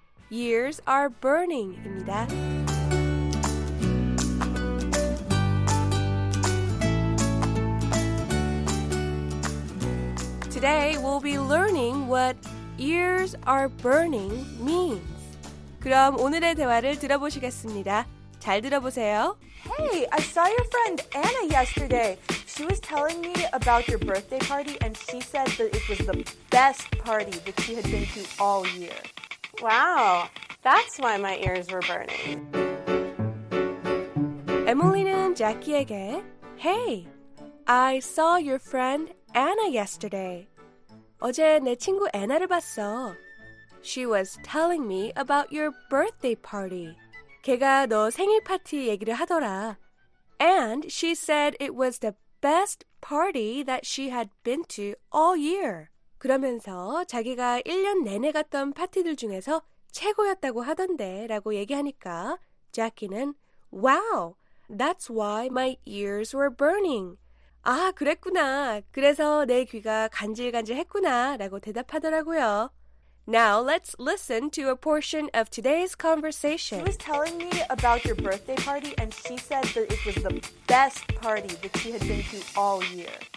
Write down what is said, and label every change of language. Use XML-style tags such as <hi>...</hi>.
<en>Ears are burning입니다.</en> <ko>오늘</ko> <en>we'll be learning what ears are burning means.</en> <ko>그럼 오늘의 대화를 들어보시겠습니다. 잘 들어보세요.</ko> <en>Hey, I saw your friend Anna yesterday. She was telling me about your birthday party and she said that it was the best party that she had been to all year. Wow, that's why my ears were burning.</en> <ko>에밀리는 재키에게</ko> <en>Hey, I saw your friend Anna yesterday.</en> <ko>어제 내 친구 애나를 봤어.</ko> <en>She was telling me about your birthday party.</en> <ko>걔가 너 생일 파티 얘기를 하더라.</ko> <en>And she said it was the best party that she had been to all year.</en> <ko>그러면서 자기가 1년 내내 갔던 파티들 중에서 최고였다고 하던데 라고 얘기하니까 자키는</ko> <en>Wow, that's why my ears were burning.</en> <ko>아, 그랬구나. 그래서 내 귀가 간질간질했구나 라고 대답하더라고요.</ko> <en>Now let's listen to a portion of today's conversation. She was telling me about your birthday party and she said that it was the best party that she had been to all year.</en>